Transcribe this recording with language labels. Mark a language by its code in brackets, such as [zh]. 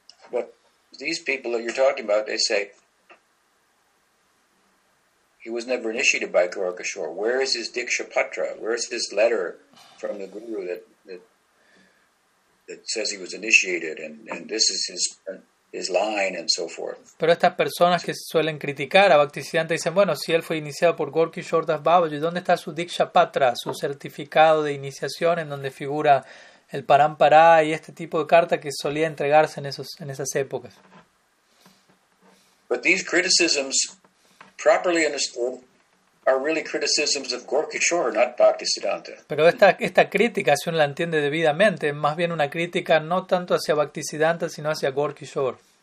[en] But these people that you're talking about, they say he was never initiated by Gaur Kishore. Where is his Diksha Patra? Where is his letter from the Guru that says he was initiated, and this is his line and so forth. [es] Pero estas personas que suelen criticar a Bhaktisiddhanta dicen, bueno, si él fue iniciado por Gaur Kishore Das Babaji, ¿dónde está su Diksha Patra, su certificado de iniciación en donde figura el Parampara y este tipo de carta que solía entregarse en esas épocas? [en] But these criticisms, properly understood, are really criticisms of Gaur Kishore, not Bhaktisiddhanta. [es] Pero esta crítica, si uno la entiende debidamente, es más bien una crítica no tanto hacia Bhaktisiddhanta, sino hacia Gaur Kishore.